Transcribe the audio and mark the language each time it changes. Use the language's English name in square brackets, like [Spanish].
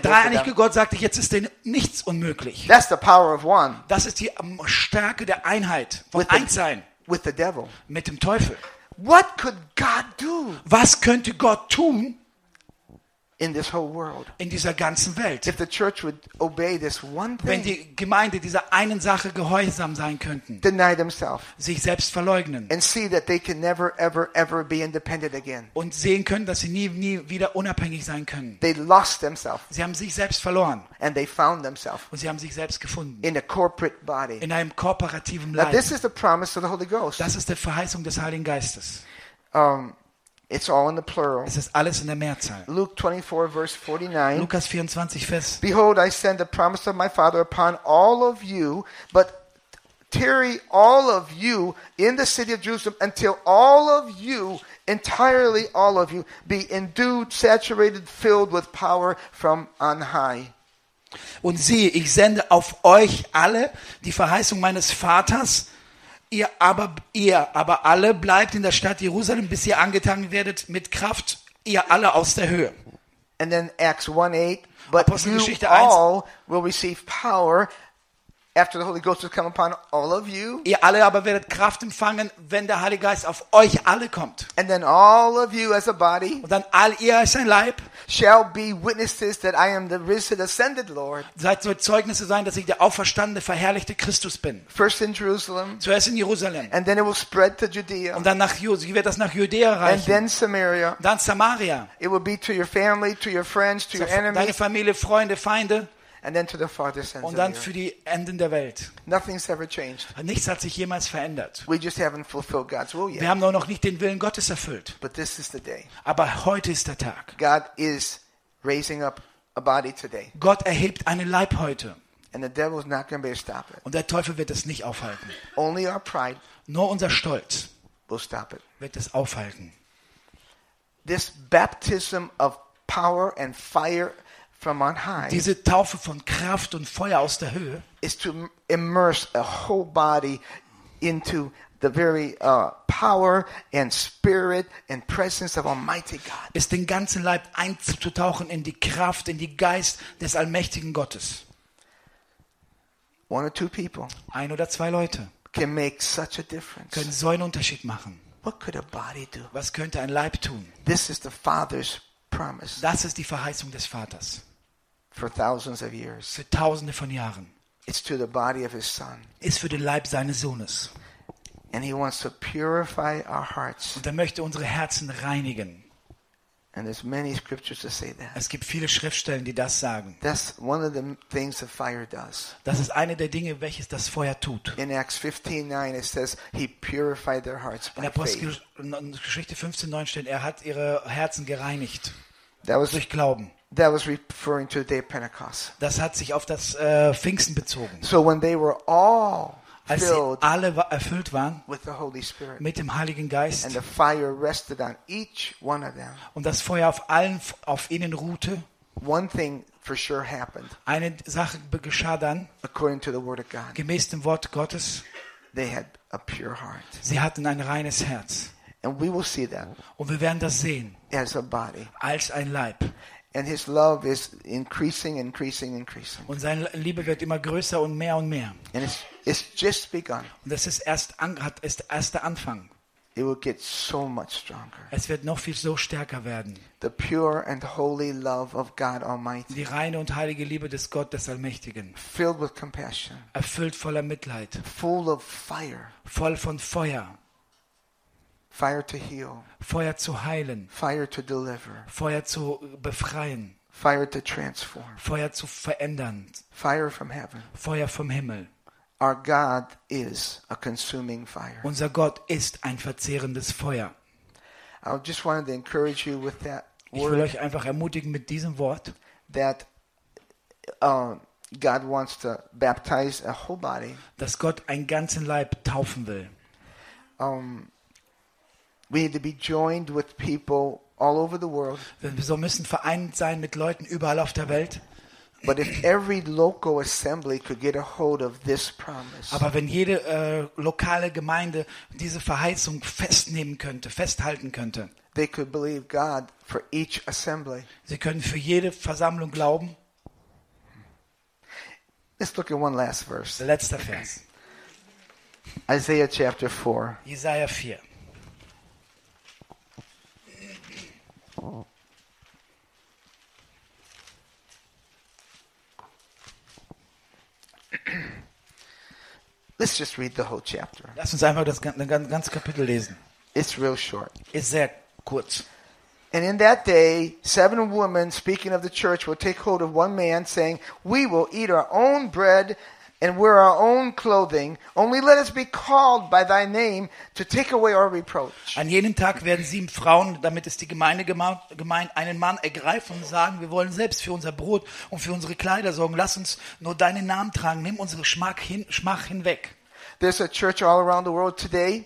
[German] Der dreieinige Gott sagte, jetzt ist denn nichts unmöglich. [English] That's the power of one. [German] Das ist die Stärke der Einheit, von Einssein. [English] With the devil. [German] Mit dem Teufel. [English] What could God do? [German] Was könnte Gott tun? [English] In this whole world. [German] In dieser ganzen Welt. [English] If the church would obey this one thing. [German] Wenn die Gemeinde dieser einen Sache gehorsam sein könnten. [English] Deny themselves. [German] Sich selbst verleugnen. [English] And see that they can never, ever, ever be independent again. [German] Und sehen können, dass sie nie wieder unabhängig sein können. [English] They lost themselves. [German] Sie haben sich selbst verloren. [English] And they found themselves. [German] Und sie haben sich selbst gefunden. [English] In a corporate body. [German] In einem kooperativen Leib. [English] This is the promise of the Holy Ghost. [German] Das ist die Verheißung des Heiligen Geistes. [English] It's all in the plural. [German] Es ist alles in der Mehrzahl. [English] Luke 24, verse 49. [German] Lukas 24, Vers. [English] Behold, I send the promise of my Father upon all of you, but tarry all of you in the city of Jerusalem until all of you, entirely all of you, be endued, saturated, filled with power from on high. [German] Und siehe, ich sende auf euch alle die Verheißung meines Vaters. Ihr aber alle bleibt in der Stadt Jerusalem, bis ihr angetan werdet mit Kraft, ihr alle aus der Höhe. [English] And then Acts 1:8, but Apostelgeschichte 1, you all will receive power after the Holy Ghost has come upon all of you. [German] Ihr alle aber werdet Kraft empfangen, wenn der Heilige Geist auf euch alle kommt. [English] And then all of you as a body. [German] Und dann all ihr als ein Leib. [English] Shall be witnesses that I am the risen, ascended Lord. [German] Seid so Zeugnisse sein, dass ich der auferstandene, verherrlichte Christus bin. [English] First in Jerusalem. [German] Zuerst in Jerusalem. [English] And then it will spread to Judea. [German] Und dann nach Judäa. Wird das nach Judäa reichen? [English] And then Samaria. [German] Dann Samaria. [English] It will be to your family, to your friends, to your enemies. [German] Deine Familie, Freunde, Feinde. [English] And then to the farthest ends. [German] Und dann für die Enden der Welt. [English] Nothing's ever changed. [German] Nichts hat sich jemals verändert. [English] We just haven't fulfilled God's will yet. [German] Wir haben noch nicht den Willen Gottes erfüllt. [English] But this is the day. [German] Aber heute ist der Tag. [English] God is raising up a body today. [German] Gott erhebt einen Leib heute. [English] And the devil's not going to be able to stop it. [German] Und der Teufel wird es nicht aufhalten. [English] Only our pride. [German] Nur unser Stolz [English] will stop it. [German] Wird es aufhalten. [English] This baptism of power and fire. [German] Diese Taufe von Kraft und Feuer aus der Höhe [English] ist to immerse a whole body into the very power and spirit and presence of Almighty God. [German] Ist den ganzen Leib einzutauchen in die Kraft, in die Geist des allmächtigen Gottes. [English] One or two people. [German] Ein oder zwei Leute. [English] Can make such a difference. [German] Können so einen Unterschied machen. [English] What could a body do? [German] Was könnte ein Leib tun? [English] This is the Father's promise. [German] Das ist die Verheißung des Vaters. [English] For thousands of years. [German] Für tausende von Jahren. [English] It's to the body of his son. [German] Ist für den Leib seines Sohnes. [English] And he wants to purify our hearts. [German] Und er möchte unsere Herzen reinigen. [English] And there's many scriptures that say that. [German] Es gibt viele Schriftstellen, die das sagen. [English] That's one of the things the fire does. [German] Das ist eine der Dinge, welches das Feuer tut. [English] In Acts 15:9 it says he purified their hearts by faith. [German] In Apostelgeschichte 15:9 steht, er hat ihre Herzen gereinigt. [English] That was [German] durch Glauben. [English] That was referring to the day of Pentecost. [German] Das hat sich auf das Pfingsten bezogen. [English] So when they were all [German] als [English] filled [German] sie alle erfüllt waren [English] with the Holy Spirit, [German] mit dem Heiligen Geist [English] and the fire rested on each one of them, [German] und das Feuer auf allen auf ihnen ruhte, [English] one thing for sure happened, [German] eine Sache geschah dann [English] according to the word of God, [German] gemäß dem Wort Gottes, [English] they had a pure heart. [German] Sie hatten ein reines Herz. [English] And we will see that, [German] und wir werden das sehen [English] as a body, [German] als ein Leib. [English] And his love is increasing, increasing, increasing. [German] Und seine Liebe wird immer größer und mehr und mehr. [English] And it's just begun. [German] Und das ist erst der Anfang. [English] It will get so much stronger. [German] Es wird noch viel so stärker werden. [English] The pure and holy love of God Almighty. [German] Die reine und heilige Liebe des Gott des Allmächtigen. [English] Filled with compassion. [German] Erfüllt voller Mitleid. [English] Full of fire. [German] Voll von Feuer. [English] Fire to heal. [German] Feuer zu heilen. [English] Fire to deliver. [German] Feuer zu befreien. [English] Fire to transform. [German] Feuer zu verändern. [English] Fire from heaven. [German] Feuer vom Himmel. [English] Our God is a consuming fire. [German] Unser Gott ist ein verzehrendes Feuer. [English] I just wanted to encourage you with that [German] word. Ich will euch einfach ermutigen mit diesem Wort. [English] That God wants to baptize a whole body. [German] Dass Gott einen ganzen Leib taufen will. [English] We need to be joined with people all over the world. [German] Wir müssen vereint sein mit Leuten überall auf der Welt. [English] But if every local assembly could get a hold of this promise. [German] Aber wenn jede lokale Gemeinde diese Verheißung festnehmen könnte, festhalten könnte. [English] They could believe God for each assembly. [German] Sie können für jede Versammlung glauben. [English] Let's look at one last verse. [German] Letzter Vers. [English] Isaiah chapter 4. [German] Jesaja 4. [English] Let's just read the whole chapter. [German] Lass uns einfach das ganze Kapitel lesen. [English] It's real short. [German] Ist sehr kurz. [English] And in that day, seven women, speaking of the church, will take hold of one man, saying, "We will eat our own bread and wear our own clothing. Only let us be called by thy name to take away our reproach." [German] An jenem Tag werden sieben Frauen, damit ist die Gemeinde gemeint, einen Mann ergreifen und sagen, wir wollen selbst für unser Brot und für unsere Kleider sorgen. Lass uns nur deinen Namen tragen. Nimm unsere Schmach hinweg. [English] There's a church all around the world today.